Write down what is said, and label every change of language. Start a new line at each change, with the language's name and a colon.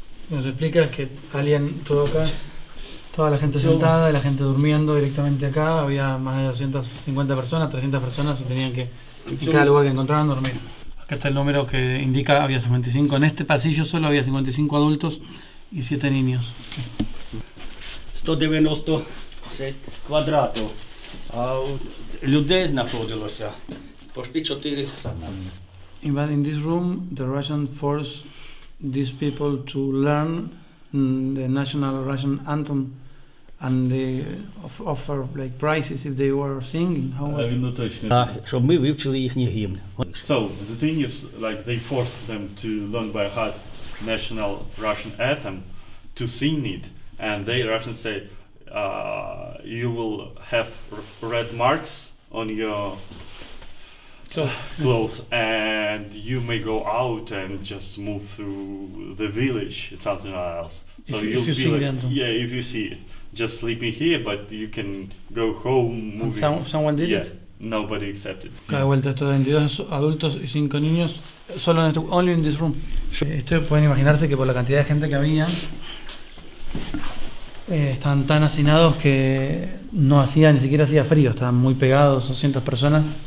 Spanish: Nos explica que alguien, todo acá, toda la gente sentada y la gente durmiendo directamente acá, había más de 250 personas, 300 personas se tenían que en cada lugar que encontraban dormir. Acá está el número que indica, había 55, en este pasillo solo había 55 adultos y 7 niños.
Ukrainian: 196
Spanish: cuadrados,
Ukrainian: людей знаходилося почти 4.
English: But in this room, the Russian forced these people to learn the national Russian anthem, and they offer like prizes if they were singing. How was it?
Ukrainian: Щоб ми вивчили їхній гімн.
English: So the thing is, like, they forced them to learn by heart national Russian anthem, to sing it, and they Russians say, you will have red marks on your clothes, and you may go out and just move through the village, something else. So you'll be like, yeah, if you see it, just sleeping here, but you can go home, moving. Someone did it? Nobody accepted.
Spanish: Cada vuelta estos 22 adultos y 5 niños, solo en
English: only in this room.
Spanish: Esto pueden imaginarse que por la cantidad de gente que había, estaban tan hacinados que no hacía, ni siquiera hacía frío, estaban muy pegados, 200 personas.